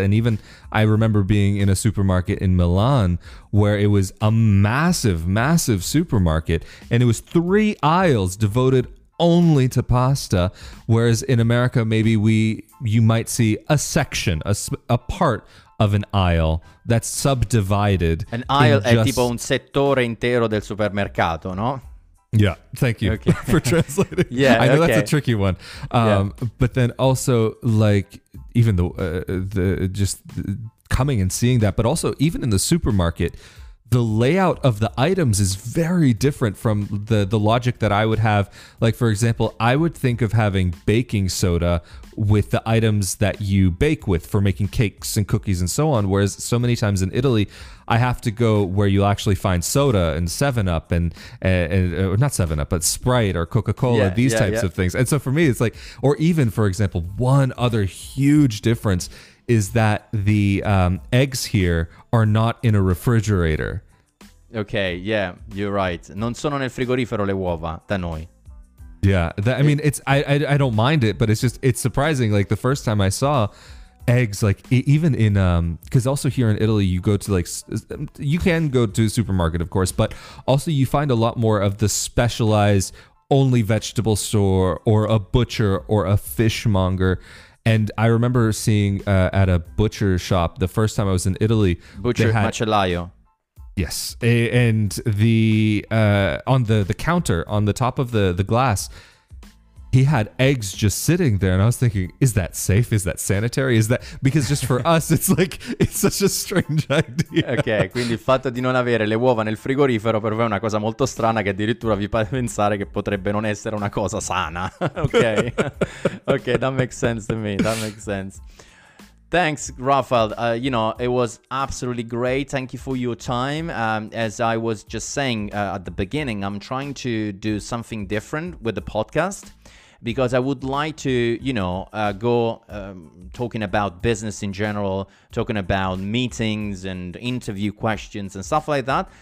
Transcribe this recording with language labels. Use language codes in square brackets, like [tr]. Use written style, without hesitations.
[en] And even I remember being in a supermarket in Milan where it was a massive, massive supermarket, and it was three aisles devoted only to pasta. Whereas in America, maybe you might see a section, a part of an aisle that's subdivided. [it] An aisle è tipo un settore intero del supermercato, no? [en] Yeah, thank you for translating. Yeah, I know okay. That's a tricky one. But then also, like, even the just coming and seeing that, but also even in the supermarket, the layout of the items is very different from the logic that I would have. Like, for example, I would think of having baking soda with the items that you bake with for making cakes and cookies and so on. Whereas so many times in Italy, I have to go where you'll actually find soda and 7-Up and not 7-Up, but Sprite or Coca-Cola, these types of things. And so for me, it's like, or even, for example, one other huge difference is that the eggs here are not in a refrigerator. Okay, yeah, you're right. [it] Non sono nel frigorifero le uova da noi. [en] Yeah, that, I mean, it's I don't mind it, but it's just, it's surprising. Like the first time I saw eggs, like even in, because also here in Italy, you go to like, you can go to a supermarket, of course, but also you find a lot more of the specialized only vegetable store or a butcher or a fishmonger. And I remember seeing at a butcher shop the first time I was in Italy. Butcher, they had, macellaio. Yes. And the on the counter, on the top of the glass, he had eggs just sitting there. And I was thinking, is that safe? Is that sanitary? Is that, because just for us, it's like, it's such a strange idea. [it] Okay, quindi il fatto di non avere le uova nel frigorifero per voi è una cosa molto strana, che addirittura vi fa pensare che potrebbe non essere una cosa sana. [en] Okay. Okay, that makes sense to me. That makes sense. Thanks, Rafael. You know, it was absolutely great. Thank you for your time. As I was just saying at the beginning, I'm trying to do something different with the podcast, because I would like to, you know, go talking about business in general, talking about meetings and interview questions and stuff like that.